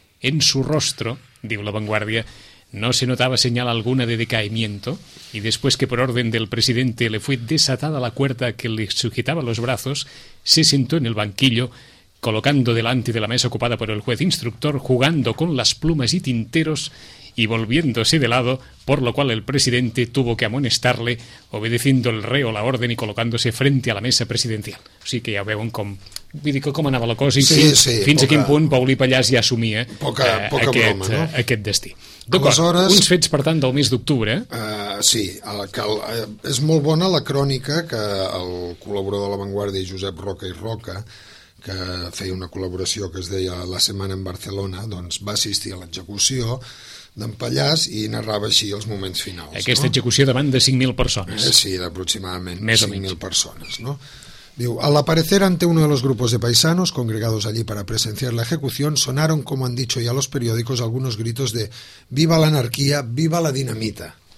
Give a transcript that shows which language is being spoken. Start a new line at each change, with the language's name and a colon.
Spanish: En su rostro, dijo La Vanguardia, no se notaba señal alguna de decaimiento, y después que por orden del presidente le fue desatada la cuerda que le sujetaba los brazos, se sentó en el banquillo, colocando delante de la mesa ocupada por el juez instructor, jugando con las plumas y tinteros y volviéndose de lado, por lo cual el presidente tuvo que amonestarle, obedeciendo el reo la orden y colocándose frente a la mesa presidencial. Así que ya
Catalan: veuen com... Vull dir, com anava la cosa i sí, fins a quin punt Paulí Pallàs ja assumia aquest destí. D'acord, uns fets, per tant, del mes d'octubre. Sí, és molt bona la crònica que el col·laborador de La Vanguardia, Josep Roca i Roca, que feia una col·laboració que es deia La Setmana en Barcelona, doncs va assistir a l'execució d'en Pallàs i narrava així els moments finals. Aquesta execució davant de 5.000 persones. Sí, d'aproximadament 5.000 persones, no?
Spanish: Diu, al aparecer ante uno de los grupos de paisanos congregados allí para presenciar la ejecución, sonaron, como han dicho ya los periódicos, algunos gritos de «Viva la anarquía, viva la dinamita».